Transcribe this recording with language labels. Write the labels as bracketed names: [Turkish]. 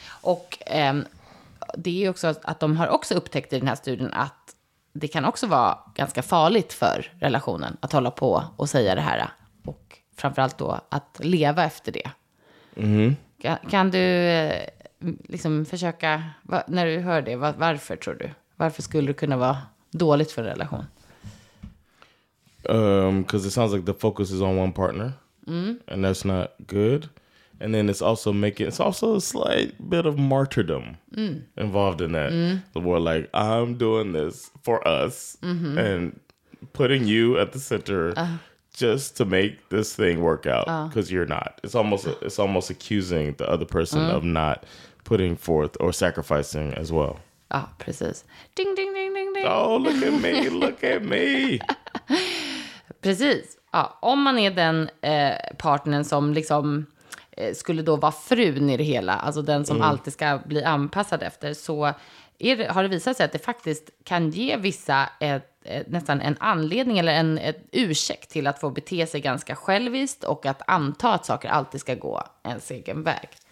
[Swedish] Och det är också att de har också upptäckt i den här studien att det kan också vara ganska farligt för relationen att hålla på och säga det här. Och framförallt då att leva efter det. Mm. Kan du liksom försöka... när du hör det, varför tror du? Varför skulle det kunna vara dåligt för en relation? [English] Because it sounds like the focus is on one partner, and that's not good. And then it's also a slight bit of martyrdom involved in that. The word like, I'm doing this for us, and putting you at the center just to make this thing work out, because you're not. It's almost accusing the other person of not putting forth or sacrificing as well. [Swedish] Ah, precis. Ding, ding, ding, ding, ding. [English] Oh, look at me, look at me. [Swedish] Precis. Ja, om man är den partnern som liksom skulle då vara frun i det hela, alltså den som alltid ska bli anpassad efter, så har det visat sig att det faktiskt kan ge vissa nästan en anledning eller en ursäkt till att få bete sig ganska själviskt och att anta att saker alltid ska gå en egen väg.